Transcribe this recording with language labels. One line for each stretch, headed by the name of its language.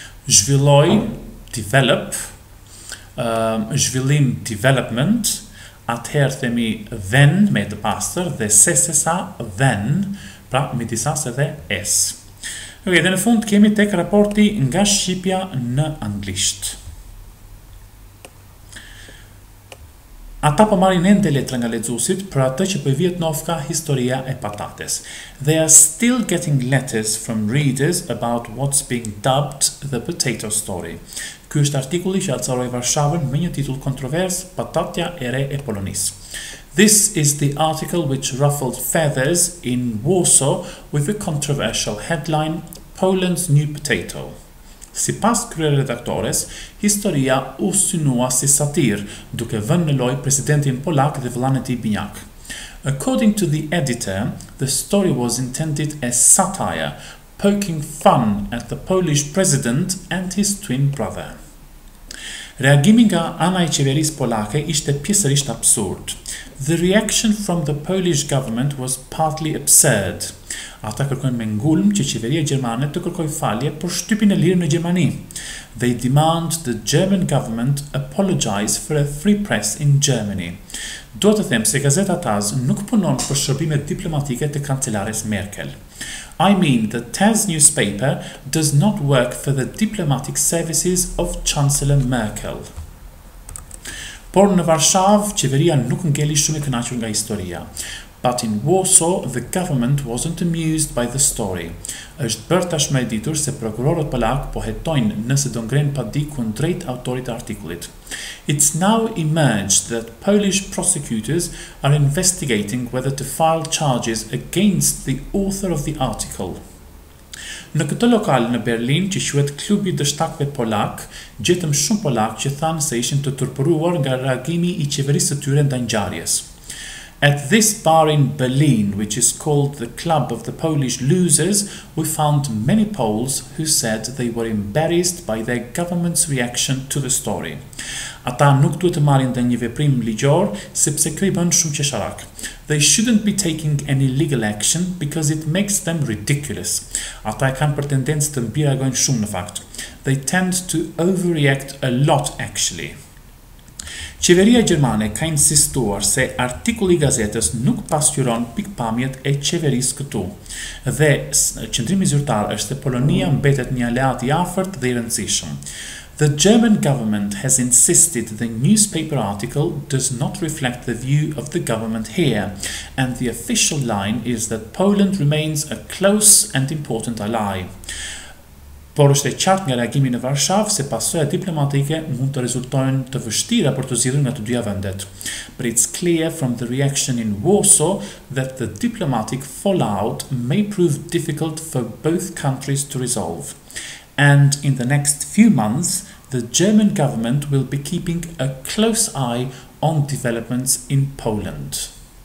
Albanian: Zhvilloj, develop, zhvillim, development, atëherë themi then, me të pastër, dhe se sa, then, pra me disa se dhe es. Ok, dhe në fund kemi tek raporti nga Shqipja në anglisht. Ata po marrin ende letra nga lexuesit për atë që po vjet nofka historia e patates.
English: They are still getting letters from readers about what's being dubbed the potato story.
Albanian: Ky është artikulli që acaroi Varshavën me një titull kontrovers, Patatja e re e Polonisë.
English: This is the article which ruffled feathers in Warsaw with a controversial headline, Poland's new potato.
Albanian: Si pas kryer redaktores, historia u synua si satir, duke vënë në lojë presidentin Polak dhe vëllain e tij Binjak.
English: According to the editor, the story was intended as satire, poking fun at the Polish president and his twin brother.
Albanian: Reagimi nga ana e qeverisë polake ishte pjesërisht absurd.
English: The reaction from the Polish government was partly absurd.
Albanian: Ata kërkojnë me ngulm që qeveria gjermane të kërkoj falje për shtypin e lirë në Gjermani.
English: They demand the German government apologize for a free press in Germany.
Albanian: Duhet të them se gazeta Taz nuk punon për shërbimet diplomatike të kancelares Merkel.
English: I mean the Taz newspaper does not work for the diplomatic services of Chancellor Merkel.
Albanian: Por në Varshavë, qeveria nuk ngeli shumë e kënaqur nga historia.
English: But in Warsaw, the government wasn't amused by the story.
Albanian: Është bërë tashmë e ditur se prokurorët polak po hetojnë nëse do ngrenë padi kundrejt autorit të artikullit.
English: It's now emerged that Polish prosecutors are investigating whether to file charges against the author of the article.
Albanian: Në këtë lokal në Berlin, që quhet klubi dështakëve polak, gjetëm shumë polak që thanë se ishin të turpëruar nga reagimi I qeverisë së tyre ndaj ngjarjes.
English: At this bar in Berlin, which is called the Club of the Polish Losers, we found many Poles who said they were embarrassed by their government's reaction to the story.
Albanian: Ata nuk duhet të marrin ndonjë veprim ligjor, sepse kjo I bën shumë qesharak.
English: They shouldn't be taking any legal action because it makes them ridiculous.
Albanian: Ata kanë për tendencë të mbiragojnë shumë në fakt.
English: They tend to overreact a lot actually.
Albanian: Qeveria Gjermane ka insistuar se artikulli gazetës nuk pasqyron pikpamjet e qeverisë këtu, dhe qendrimi zyrtar është se Polonia mbetet një aleat I afërt dhe I rëndësishëm.
English: The German government has insisted the newspaper article does not reflect the view of the government here, and the official line is that Poland remains a close and important ally.
Albanian: Por është e qartë nga reagimi në Varshavë se pasojat diplomatike mund të rezultojnë të vështira për të zgjidhur nga të dyja vendet.
English: But it's clear from the reaction in Warsaw that the diplomatic fallout may prove difficult for both countries to resolve. And in the next few months, the German government will be keeping a close eye on developments in Poland.